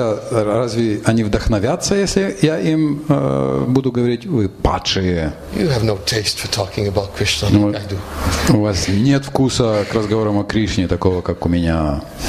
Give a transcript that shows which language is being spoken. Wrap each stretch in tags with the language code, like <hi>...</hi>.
<ru>Разве они вдохновятся, если я им буду говорить, вы падшие?</ru> <en>You have no taste for talking about Krishna. I do.</en> <ru>У вас нет вкуса к разговорам о Кришне такого, как у меня.</ru>